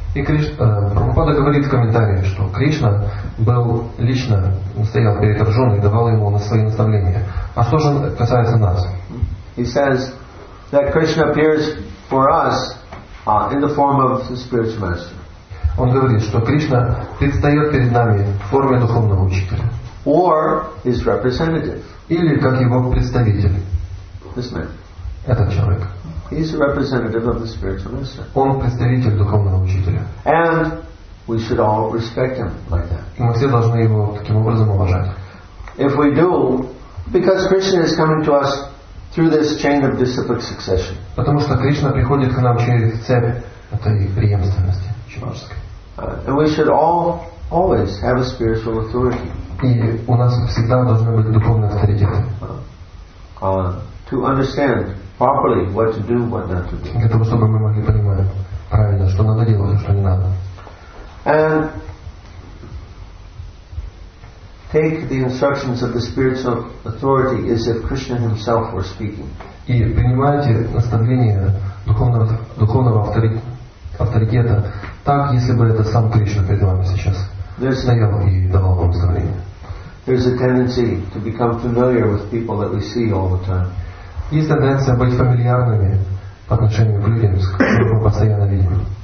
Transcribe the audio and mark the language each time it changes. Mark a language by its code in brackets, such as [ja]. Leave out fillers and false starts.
[ru] И Прабхупада говорит в комментарии, что Кришна был лично, стоял перед Арджуной и давал ему свои наставления. А что же касается нас? [en] He says that Krishna appears for us in the form of the spiritual master. [ru] Он говорит, что Кришна предстает перед нами в форме духовного учителя. [en] Or his representative. [ru] Или как его представитель. [en] This man. [ru] Этот человек. [en] He is a representative of the spiritual master. [ru] Он представитель духовного учителя. [en] And we should all respect him like that. [ru] И мы все должны его таким образом уважать. [en] If we do, because Krishna is coming to us through this chain of disciplic succession. [ru] Потому что Кришна приходит к нам через цепь этой преемственности чиновской. [en] And we should all always have a spiritual authority. [ru] И у нас всегда должны быть духовные авторитеты. [en] To understand properly what to do, what not to do. [ru] Для того, чтобы мы могли понимать правильно, что надо делать, а что не надо. [en] And take the instructions of the spiritual authority as if Krishna himself were speaking. [ru] И принимайте наставления духовного авторитета так, если бы это сам Кришна перед вами сейчас стоял и давал вам наставления. [en] There's a tendency to become familiar with people that we see all the time. [ru] Есть тенденция быть фамильярными по отношению к людям, с которыми мы постоянно видим.